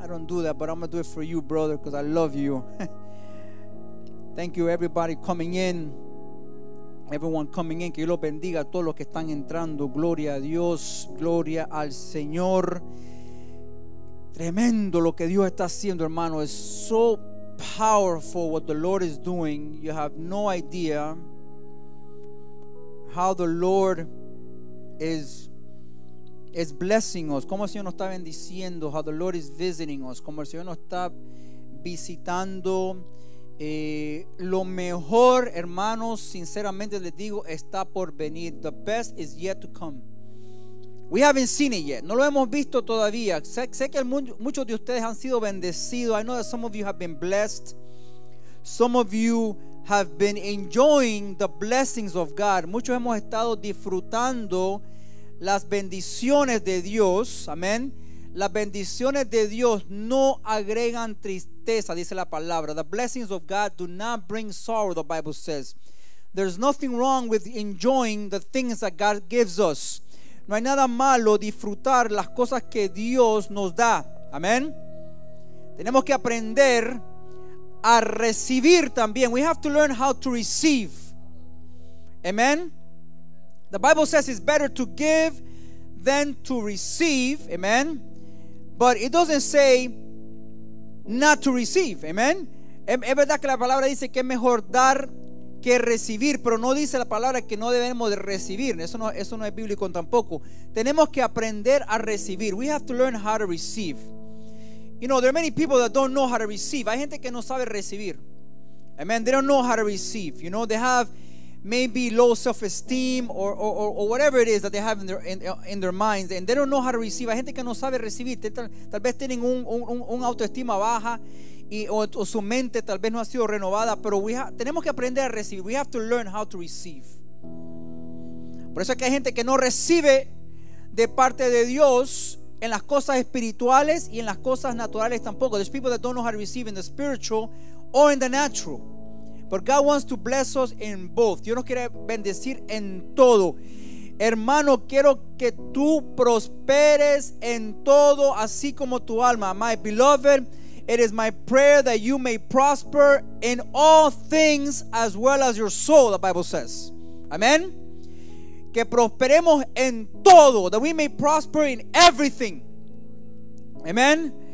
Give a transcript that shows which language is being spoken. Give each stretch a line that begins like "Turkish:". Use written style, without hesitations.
English: I don't do that, but I'm going to do it for you, brother, because I love you. Thank you, everybody coming in. Everyone coming in.
Spanish: Que Dios los bendiga a todos los que están entrando. Gloria a Dios. Gloria al Señor. Tremendo lo que Dios está haciendo, hermano.
English: It's so powerful what the Lord is doing. You have no idea how the Lord is blessing us.
Spanish: Como el Señor nos está bendiciendo.
English: How the Lord is visiting us.
Spanish: Como el Señor nos está visitando. Lo mejor, hermanos, sinceramente les digo, está por venir.
English: The best is yet to come. We haven't seen it yet.
Spanish: No lo hemos visto todavía. Sé que muchos de ustedes han sido bendecidos.
English: I know that some of you have been blessed. Some of you have been enjoying the blessings of God.
Spanish: Muchos hemos estado disfrutando las bendiciones de Dios. Amén. Las bendiciones de Dios no agregan tristeza, dice la palabra.
English: The blessings of God do not bring sorrow, the Bible says. There's nothing wrong with enjoying the things that God gives us.
Spanish: No hay nada malo disfrutar las cosas que Dios nos da. Amén. Tenemos que aprender a recibir también.
English: We have to learn how to receive. Amén. The Bible says it's better to give than to receive. Amén. But it doesn't say not to receive. Amén.
Spanish: Es verdad que la palabra dice que es mejor dar que recibir, pero no dice la palabra que no debemos de recibir. Eso no es bíblico tampoco. Tenemos que aprender a recibir.
English: We have to learn how to receive. You know, there are many people that don't know how to receive.
Spanish: Hay gente que no sabe recibir.
English: Amen. They don't know how to receive. You know, they have maybe low self-esteem or whatever it is that they have in their minds, and they don't know how to receive.
Spanish: Hay gente que no sabe recibir. Tal vez tienen un autoestima baja. O su mente tal vez no ha sido renovada, pero tenemos que aprender a recibir.
English: We have to learn how to receive.
Spanish: Por eso es que hay gente que no recibe de parte de Dios en las cosas espirituales y en las cosas naturales tampoco.
English: There's people that don't know how to receive in the spiritual or in the natural. But God wants to bless us in both.
Spanish: Dios nos quiere bendecir en todo. Hermano, quiero que tú prosperes en todo, así como tu alma.
English: My beloved, it is my prayer that you may prosper in all things as well as your soul, the Bible says.
Spanish: Amen. Que prosperemos en todo.
English: That we may prosper in everything. Amen.